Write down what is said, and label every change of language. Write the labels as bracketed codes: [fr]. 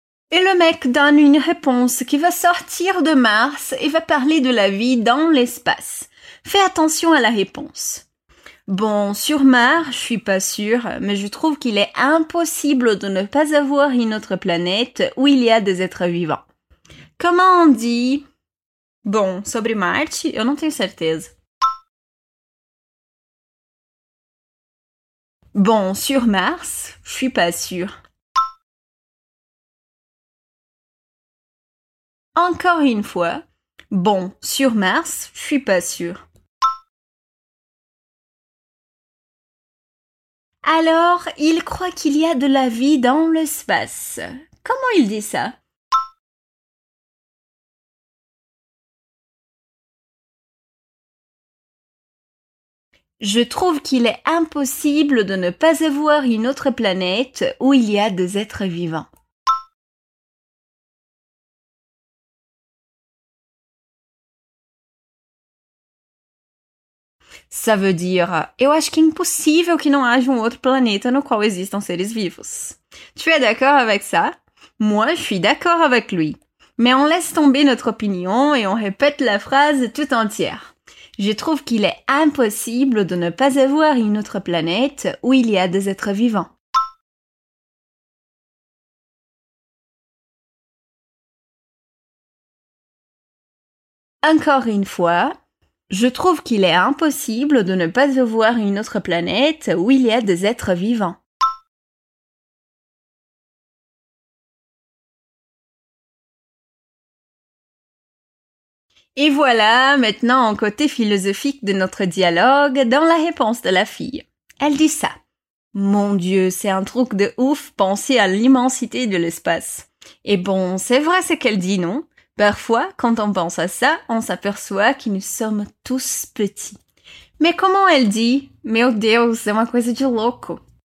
[fr] Et le mec donne une réponse qui va sortir de Mars et va parler de la vie dans l'espace. Fais attention à la réponse. Bon, sur Mars, je suis pas sûre, mais je trouve qu'il est impossible de ne pas avoir une autre planète où il y a des êtres vivants. Comment on dit? [pt] Bon, sobre Marte, eu não tenho certeza. [fr] Bon, sur Mars, je suis pas sûre. Encore une fois, bon, sur Mars, je suis pas sûre. Alors, il croit qu'il y a de la vie dans l'espace. Comment il dit ça? Je trouve qu'il est impossible de ne pas avoir une autre planète où il y a des êtres vivants. Ça veut dire, [pt] eu acho que é impossível que não haja um outro planeta no qual existam seres vivos. [fr] Tu es d'accord avec ça? Moi, je suis d'accord avec lui. Mais on laisse tomber notre opinion et on répète la phrase tout entière. Je trouve qu'il est impossible de ne pas avoir une autre planète où il y a des êtres vivants. Encore une fois, je trouve qu'il est impossible de ne pas avoir une autre planète où il y a des êtres vivants. Et voilà, maintenant, au côté philosophique de notre dialogue, dans la réponse de la fille. Elle dit ça. Mon Dieu, c'est un truc de ouf penser à l'immensité de l'espace. Et bon, c'est vrai ce qu'elle dit, non? Parfois, quand on pense à ça, on s'aperçoit que nous sommes tous petits. Mais comment elle dit? [pt] Meu Deus, é uma coisa de louco.